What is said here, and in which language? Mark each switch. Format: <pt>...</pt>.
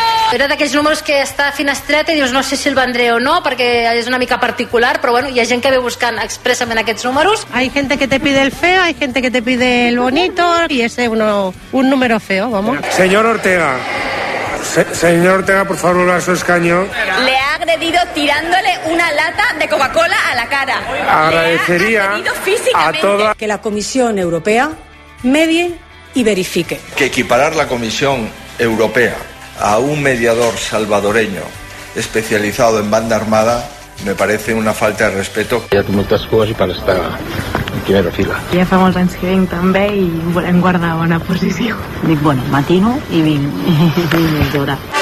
<ca>Era d'aquells números que està finestreta i dius no sé si el vendré o no, perquè és una mica particular, però bueno, hi ha gent que ve buscant expressament aquests números.</ca> <es>Hay gente que te pide el feo, hay gente que te pide el bonito, y ese es un número feo, vamos. Señor Ortega, señor Ortega, por favor, vuelva a su escaño. Le ha agredido tirándole una lata de Coca-Cola a la cara. Agradecería a toda... Que la Comisión Europea medie y verifique. Que equiparar la Comisión Europea a un mediador salvadoreño especializado en banda armada me parece una falta de respeto.</es> <ca>Ja tinc moltes coses per estar en primera fila. Ja fa molts anys que vinc també i volem guardar bona posició. Dic, bueno, matino i vinc. Dura.</ca>